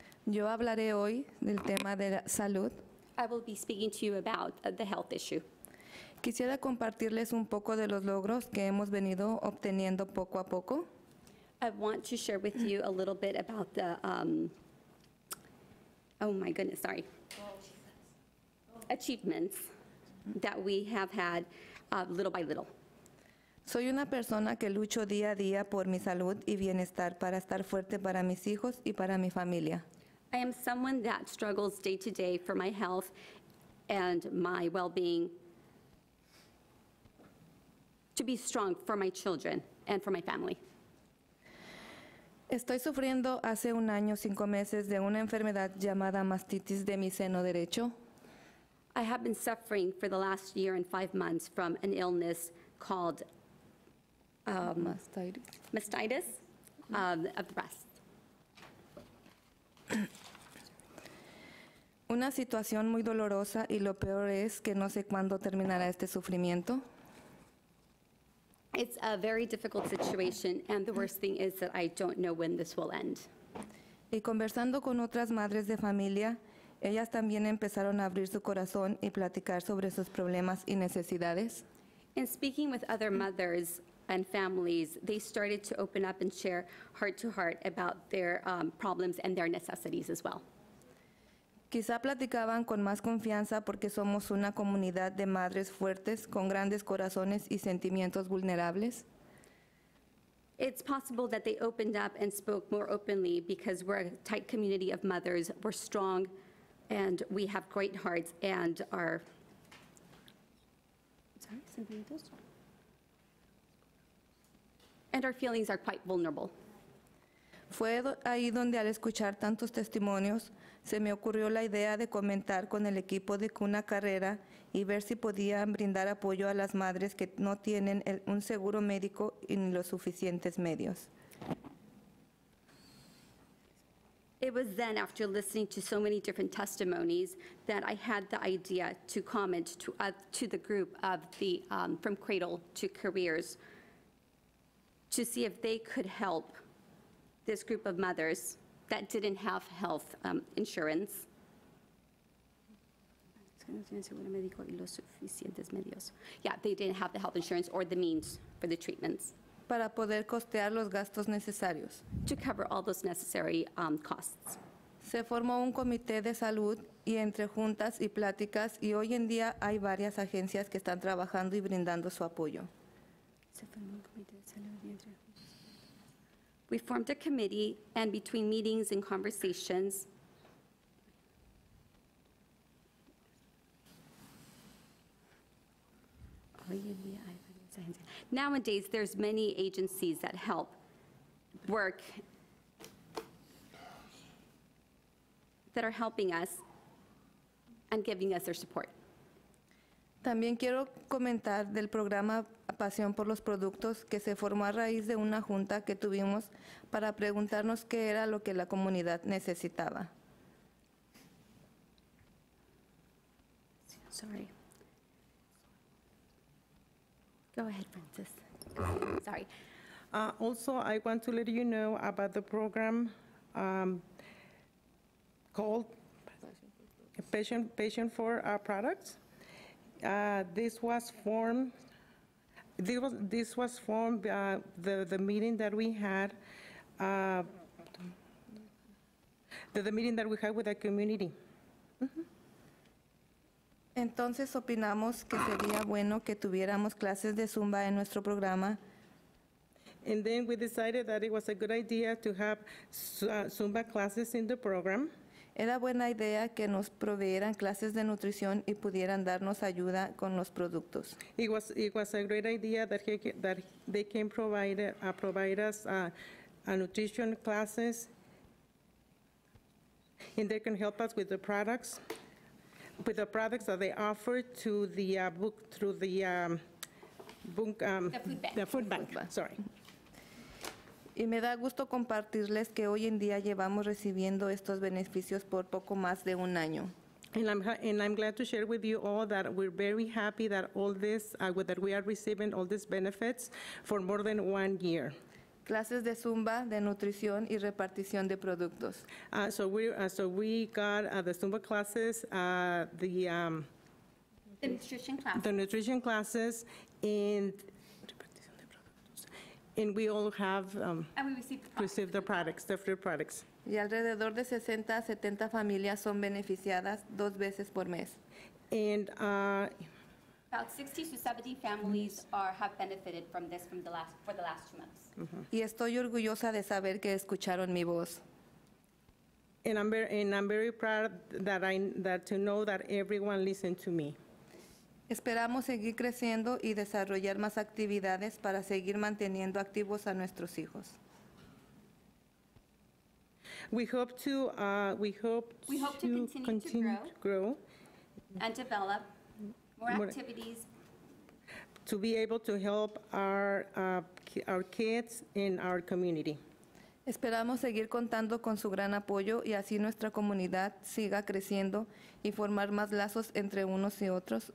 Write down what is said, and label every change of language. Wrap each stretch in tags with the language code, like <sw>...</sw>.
<es>Yo hablaré hoy del tema de la salud.</es> <en>I will be speaking to you about the health issue.</en> <es>Quisiera compartirles un poco de los logros que hemos venido obteniendo poco a poco.</es> <en>I want to share with you a little bit about the, achievements that we have had little by little.</en> <es>Soy una persona que lucho día a día por mi salud y bienestar para estar fuerte para mis hijos y para mi familia.</es> <en>I am someone that struggles day to day for my health and my well-being, to be strong for my children and for my family.</en> <es>Estoy sufriendo hace 1 año, 5 meses de una enfermedad llamada mastitis de mi seno derecho.</es> <en>I have been suffering for the last 1 year and 5 months from an illness called mastitis of the breast.</en> <es>Una situación muy dolorosa y lo peor es que no sé cuándo terminará este sufrimiento.</es> <en>It's a very difficult situation, and the worst thing is that I don't know when this will end.</en> <es>Y conversando con otras madres de familia, ellas también empezaron a abrir su corazón y platicar sobre sus problemas y necesidades.</es> <en>In speaking with other mothers and families, they started to open up and share heart to heart about their problems and their necessities as well.</en> <es>Quizá platicaban con más confianza porque somos una comunidad de madres fuertes con grandes corazones y sentimientos vulnerables.</es> <en>It's possible that they opened up and spoke more openly because we're a tight community of mothers. We're strong and we have great hearts and are... And our feelings are quite vulnerable.</en> <es>Fue ahí donde al escuchar tantos testimonios, se me ocurrió la idea de comentar con el equipo de Cuna Carrera y ver si podían brindar apoyo a las madres que no tienen un seguro médico y ni los suficientes medios.</es> <en>It was then, after listening to so many different testimonies, that I had the idea to comment to the group of the From Cradle to Careers to see if they could help this group of mothers that didn't have health insurance. Yeah, they didn't have the health insurance or the means for the treatments.</en> <es>Para poder costear los gastos necesarios.</es> <en>To cover all those necessary costs.</en> <es>Se formó un comité de salud y entre juntas y pláticas y hoy en día hay varias agencias que están trabajando y brindando su apoyo.</es> <en>We formed a committee, and between meetings and conversations, nowadays there's many agencies that help work that are helping us and giving us their support.</en> <es>También quiero comentar del programa Pasión por los Productos que se formó a raíz de una junta que tuvimos para preguntarnos qué era lo que la comunidad necesitaba.</es> <en>Sorry. Go ahead, Francis. Sorry. Also, I want to let you know about the program called Patient for our Products. This was formed the meeting that we had the meeting that we had with the community.</en> <es>Entonces opinamos que sería bueno que tuviéramos clases de Zumba en nuestro programa.</es> <en>And then we decided that it was a good idea to have Zumba classes in the program.</en> <es>Era buena idea que nos proveyeran clases de nutrición y pudieran darnos ayuda con los productos.</es> <en>It was a great idea that they can provide us a nutrition classes and they can help us with the products, that they offer to the book through the food bank.</en> <es>Y me da gusto compartirles que hoy en día llevamos recibiendo estos beneficios por poco más de un año.</es> <en>And I'm glad to share with you all that we're very happy that all this, that we are receiving all these benefits for more than 1 year.</en> <es>Clases de Zumba, de nutrición y repartición de productos.</es> <en>So we got the Zumba classes, the nutrition classes, and we all have received the products, the fruit products.</en> <es>Y alrededor de 60 a 70 familias son beneficiadas dos veces por mes.</es> <en>About 60 to 70 families have benefited from this for the last 2 months. Uh-huh.</en> <es>Y estoy orgullosa de saber que escucharon mi voz.</es> <en>And I'm very proud to know that everyone listened to me.</en> <es>Esperamos seguir creciendo y desarrollar más actividades para seguir manteniendo activos a nuestros hijos.</es> <en>We hope to continue to grow and develop more activities to be able to help our kids in our community.</en> <es>Esperamos seguir contando con su gran apoyo y así nuestra comunidad siga creciendo y formar más lazos entre unos y otros.</es>